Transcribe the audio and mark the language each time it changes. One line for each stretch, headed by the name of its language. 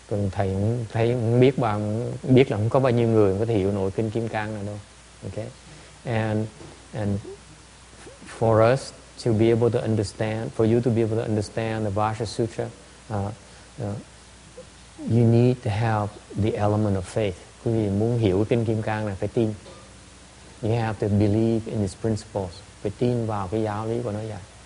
Vietnamese: Thầy cũng biết là không có bao nhiêu người có thể hiểu nổi kinh Kim Cang này đâu.
English: Okay. And for us to be able to understand, for you to be able to understand the Vajra Sutra, you need to have the element of faith.
Vietnamese: Quý vị muốn hiểu kinh Kim Cang này phải tin.
English: You have to believe in its principles.
Vietnamese: Phải tin vào cái giáo lý của nó vậy.